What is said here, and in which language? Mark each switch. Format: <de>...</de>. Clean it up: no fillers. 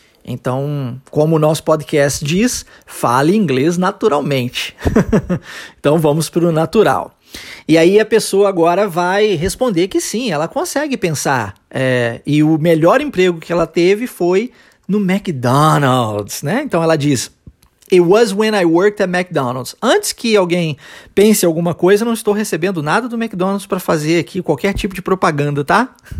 <pt>Então, como o nosso podcast diz, fale inglês naturalmente. Então, vamos para o natural. E aí a pessoa agora vai responder que sim, ela consegue pensar. E o melhor emprego que ela teve foi no McDonald's, né? Então ela diz,</pt> <en>"It was when I worked at McDonald's."</en> <pt>Antes que alguém pense alguma coisa, não estou recebendo nada do McDonald's para fazer aqui qualquer tipo de propaganda, tá?</pt>